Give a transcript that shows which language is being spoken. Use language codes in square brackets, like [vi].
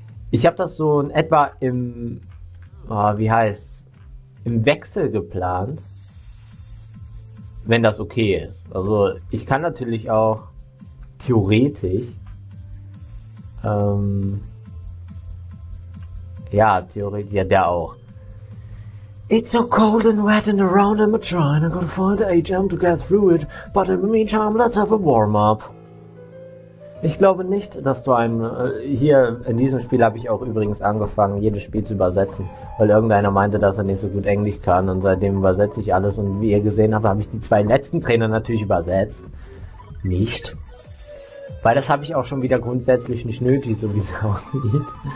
[de] Ich habe das so in etwa im Wechsel geplant. Wenn das okay ist. Also ich kann natürlich auch theoretisch, ja, der auch. [en] It's so cold and wet and around, I'm a trying, I'm gonna find a HM to get through it, but in the meantime, let's have a warm-up. [de] Ich glaube nicht, dass du einen, hier in diesem Spiel habe ich auch übrigens angefangen, jedes Spiel zu übersetzen, weil irgendeiner meinte, dass er nicht so gut Englisch kann, und seitdem übersetze ich alles, und wie ihr gesehen habt, habe ich die zwei letzten Trainer natürlich übersetzt. Nicht. Weil das habe ich auch schon wieder grundsätzlich nicht nötig, so wie es aussieht.